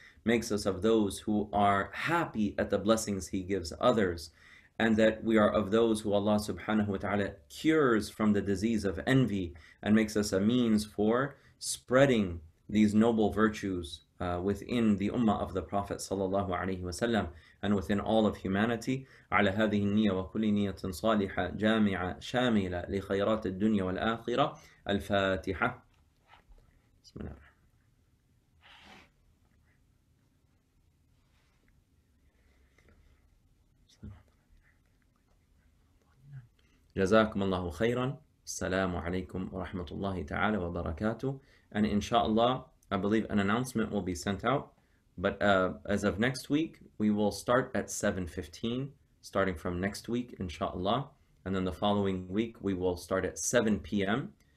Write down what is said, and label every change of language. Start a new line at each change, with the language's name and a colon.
English: makes us of those who are happy at the blessings he gives others, and that we are of those who Allah subhanahu wa ta'ala cures from the disease of envy and makes us a means for spreading these noble virtues within the ummah of the Prophet sallallahu alayhi wa sallam and within all of humanity.
Arabic: على هذه النية وكل نية صالحة جامعة شاملة لخيرات الدنيا والآخرة. الفاتحة. بسم الله. جزاكم الله خيرا. السلام عليكم ورحمة الله تعالى وبركاته.
English: And inshallah, I believe an announcement will be sent out. But as of next week, we will start at 7:15, starting from next week, inshallah. And then the following week, we will start at 7 p.m.